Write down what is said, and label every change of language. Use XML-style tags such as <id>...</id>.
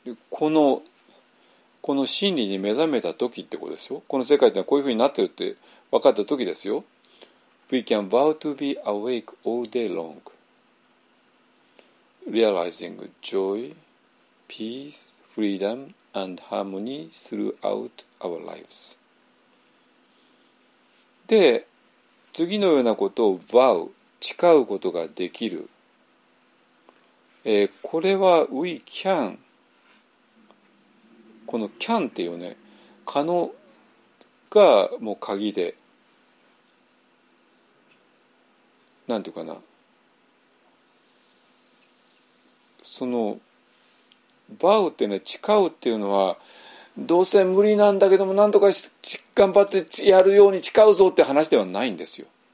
<ja>この真理に目覚めた時ってことですよ。この世界ってこういうふうになってるって分かった時ですよ。</ja> <en>We can vow to be awake all day long, realizing joy, peace, freedom, and harmony throughout our lives.</en> <ja>で、次のようなことを vow、誓うことができる。これは</ja> <en>we can。</en> <ja>この can っていうね、可能がもう鍵で、なんていうかな、その vow ってね、誓うっていうのはどうせ無理なんだけども何とか頑張ってやるように誓うぞって話ではないんですよ。</ja>